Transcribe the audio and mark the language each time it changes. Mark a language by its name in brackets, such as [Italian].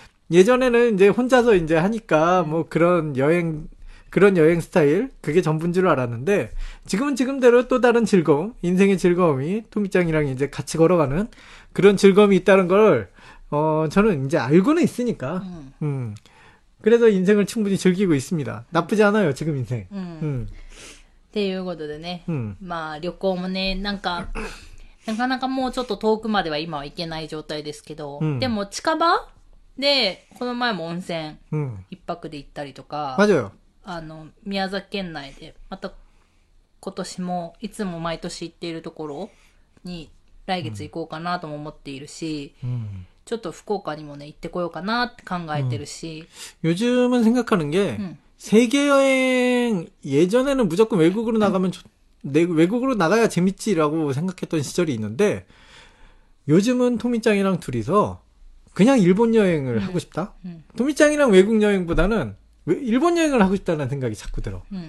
[Korean] 예전에는 이제 혼자서 이제 하니까 뭐 그런 여행 스타일 그게 전부인 줄 알았는데 지금은 지금대로 또 다른 즐거움, 인생의 즐거움이 토미짱이랑 이제 같이 걸어가는 그런 즐거움이 있다는 걸 저는 이제 알고는 있으니까 그래서 인생을 충분히 즐기고 있습니다. 나쁘지 않아요 지금 인생. [Japanese] ということでね、まあ旅行もね、なかなかもうちょっと遠くまでは今は行けない状態ですけど、でも近場でこの前も温泉一泊で行ったりとか、宮崎県内でまた今年もいつも毎年行っているところに来月行こうかなとも思っているし、ちょっと福岡にもね行ってこようかなって考えてるし、 [Korean] 요즘은생각하는게 세계여행 예전에는 무조건 외국으로 나가면 외국으로 나가야 재밌지라고 생각했던 시절이 있는데 요즘은 토미짱이랑 둘이서 그냥 일본 여행을 하고 싶다. 토미짱이랑 외국 여행보다는 일본 여행을 하고 싶다는 생각이 자꾸 들어.